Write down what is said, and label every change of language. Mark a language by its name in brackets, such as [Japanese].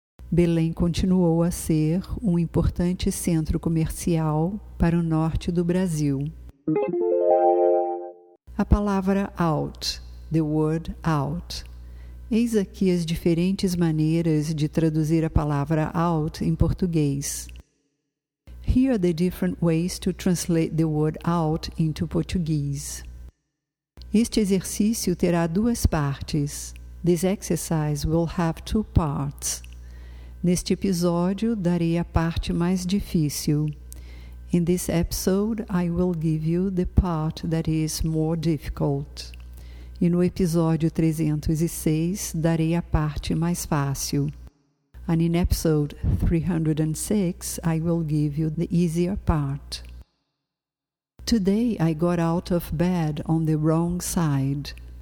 [Portuguese] Belém continuou a ser um importante centro comercial para o norte do Brasil. A palavra out, [English] the word out. [Portuguese] Eis aqui as diferentes maneiras de traduzir a palavra out em português. [English] Here are the different ways to translate the word out into Portuguese. [Portuguese] Este exercício terá duas partes. [English] This exercise will have two parts. [Portuguese] Neste episódio, darei a parte mais difícil. [English] In this episode, I will give you the part that is more difficult. [Portuguese] E no episódio 306, darei a parte mais fácil. [English] And in episode 306, I will give you the easier part. Today, I got out of bed on the wrong side.